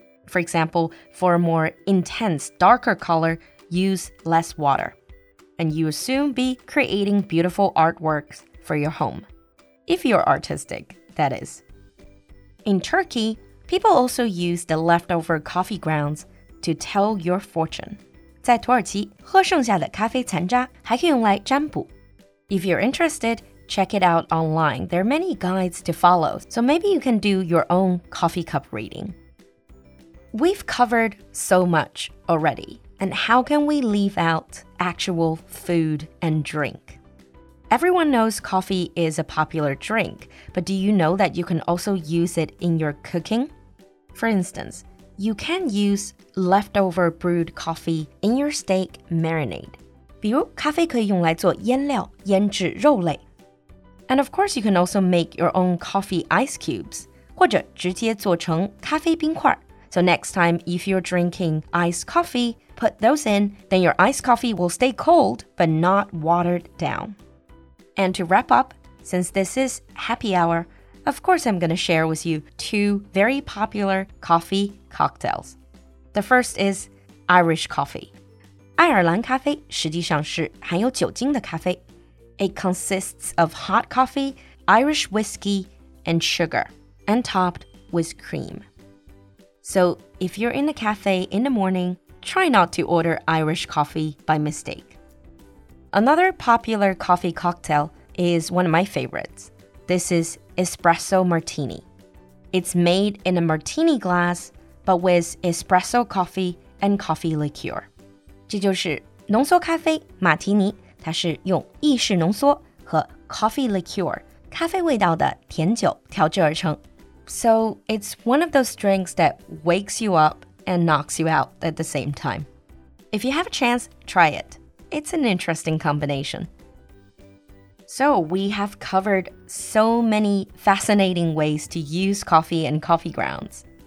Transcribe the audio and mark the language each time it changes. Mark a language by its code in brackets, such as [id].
[en] For example, for a more intense, darker color, use less water. And you'll soon be creating beautiful artworks for your home. If you're artistic, that is. In Turkey, people also use the leftover coffee grounds. To tell your fortune. [zh] 在土耳其,喝剩下的咖啡残渣还可以用来占卜。 [en] If you're interested, check it out online. There are many guides to follow, so maybe you can do your own coffee cup reading. We've covered so much already, and how can we leave out actual food and drink? Everyone knows coffee is a popular drink, but do you know that you can also use it in your cooking? For instance,You can use leftover brewed coffee in your steak marinade. [zh] 比如咖啡可以用来做腌料、腌制肉类。 [en] And of course, you can also make your own coffee ice cubes, [zh] 或者直接做成咖啡冰块。 [en] So next time, if you're drinking iced coffee, put those in, then your iced coffee will stay cold, but not watered down. And to wrap up, since this is happy hour,Of course, I'm going to share with you two very popular coffee cocktails. The first is Irish coffee. [zh] 爱尔兰咖啡实际上是含有酒精的咖啡。 [en] It consists of hot coffee, Irish whiskey, and sugar, and topped with cream. So, if you're in a cafe in the morning, try not to order Irish coffee by mistake. Another popular coffee cocktail is one of my favorites. This is... Espresso martini. It's made in a martini glass, but with espresso coffee and coffee liqueur. [zh] 这就是浓缩咖啡 ,martini, 它是用意式浓缩和 coffee liqueur, 咖啡味道的甜酒调制而成。 [en] So it's one of those drinks that wakes you up and knocks you out at the same time. If you have a chance, try it. It's an interesting combination. So we have covered so many fascinating ways to use coffee and coffee grounds.